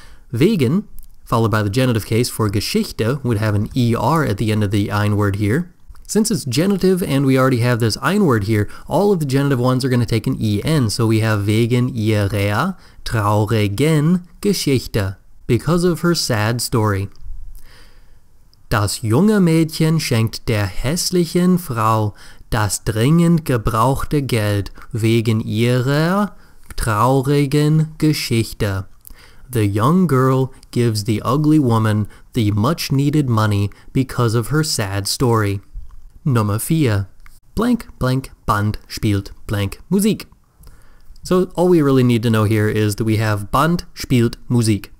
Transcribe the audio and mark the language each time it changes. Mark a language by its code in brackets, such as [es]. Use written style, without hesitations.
[en] Wegen, followed by the genitive case for Geschichte, would have an ER at the end of the ein word here. Since it's genitive and we already have this ein word here, all of the genitive ones are going to take an en, so we have [de] wegen ihrer traurigen Geschichte, [en] because of her sad story. [de] Das junge Mädchen schenkt der hässlichen Frau das dringend gebrauchte Geld wegen ihrer traurigen Geschichte. [en] The young girl gives the ugly woman the much needed money because of her sad story. [de] Nummer 4. Blank, blank, Band spielt blank Musik. [en] So all we really need to know here is that we have [de] Band spielt Musik.